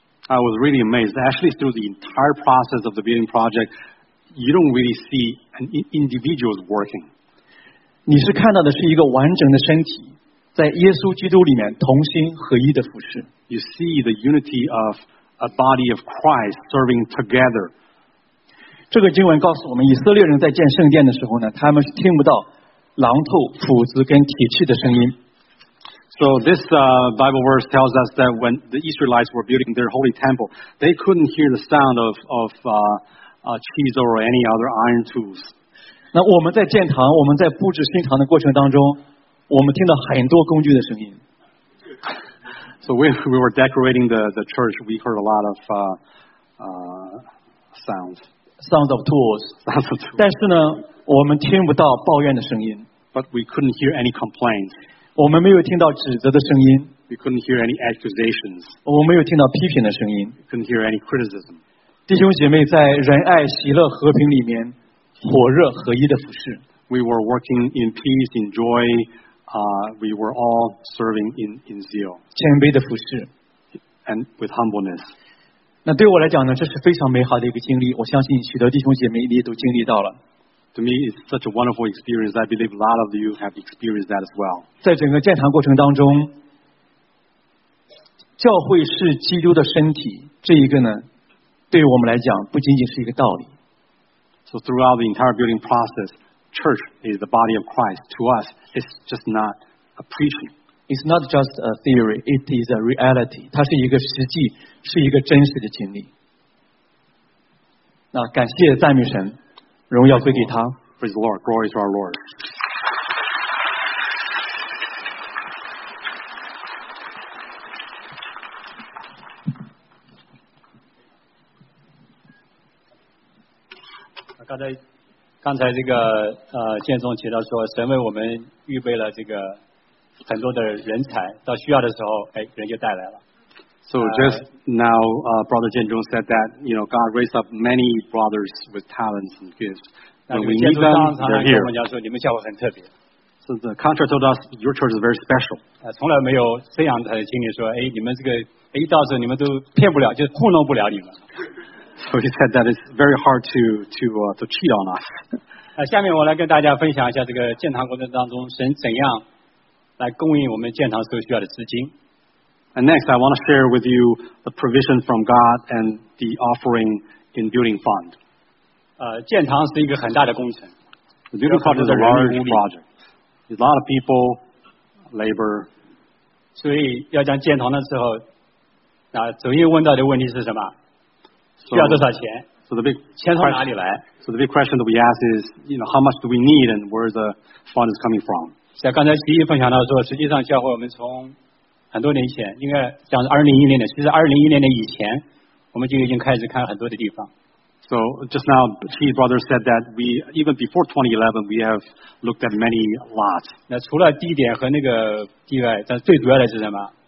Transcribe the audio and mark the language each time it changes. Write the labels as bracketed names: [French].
[English] I was really amazed. Actually, through the entire process of the building project, you don't really see an individual working. [Chinese] 你是看到的是一个完整的身体，在耶稣基督里面同心合一的服事。 [English] You see the unity of a body of Christ serving together. [Chinese] 这个经文告诉我们，以色列人在建圣殿的时候呢，他们是听不到榔头、斧子跟铁器的声音。 [English] So this Bible verse tells us that when the Israelites were building their holy temple, they couldn't hear the sound of chisel or any other iron tools. [Chinese] 那我们在建堂，我们在布置新堂的过程当中，我们听到很多工具的声音。 [English] So when we were decorating the church, we heard a lot of sounds. Sounds of tools. Sounds of tools. [Chinese] 但是呢，我们听不到抱怨的声音。 [English] But we couldn't hear any complaints. [Chinese] 我们没有听到指责的声音。 [English] We couldn't hear any accusations. [Chinese] 我们没有听到批评的声音。 [English] We couldn't hear any criticism. [Chinese] 弟兄姐妹在仁爱、喜乐、和平里面火热合一的服事。 [English] We were working in peace, in joy. We were all serving in zeal. [Chinese] 谦卑的服事。 [English] And with humbleness. [Chinese] 那对我来讲呢，这是非常美好的一个经历。我相信许多弟兄姐妹也都经历到了。 [English] To me, it's such a wonderful experience. I believe a lot of you have experienced that as well. [Chinese] 在整个建堂过程当中，教会是基督的身体，这一个呢，对我们来讲不仅仅是一个道理。 [English] So throughout the entire building process, church is the body of Christ. To us, it's just not a preaching. It's not just a theory. It is a reality. [Chinese] 它是一个实际，是一个真实的经历。那感谢赞美神。荣耀归给他。 [English] Praise the Lord. Glory to our Lord. [Chinese] 刚才刚才这个建宗提到说，神为我们预备了这个很多的人才，到需要的时候，哎，人就带来了。 [English] So just now, Brother Jian Zhong said that you know God raised up many brothers with talents and gifts. And we need them. They're here. [Chinese] 跟我们讲说，你们教会很特别。 [English] So the contract told us your church is very special. [Chinese] 从来没有这样的经历说，哎，你们这个哎，到时候你们都骗不了，就糊弄不了你们。 [English] So he said that it's very hard to cheat on us. [Chinese] 下面我来跟大家分享一下这个建堂过程当中神怎样来供应我们建堂所需要的资金。 [English] And next, I want to share with you the provision from God and the offering in building fund. [Chinese] 建堂是一个很大的工程。 [English] The building fund is a large project. There's a lot of people, labor. [Chinese] 所以要讲建堂的时候，那首先问到的问题是什么？需要多少钱？ [English] So the big [Chinese] 钱从哪里来？ [English] So the big question that we ask is, you know, how much do we need and where the fund is coming from? [Chinese] 像刚才齐毅分享到说，实际上教会我们从很多年前，应该讲是2010年的，其实2010年的以前，我们就已经开始看很多的地方。 [English] So just now, Qi brother said that we even before 2011, we have looked at many lots. [Chinese] 那除了地点和那个地外，但最主要的是什么？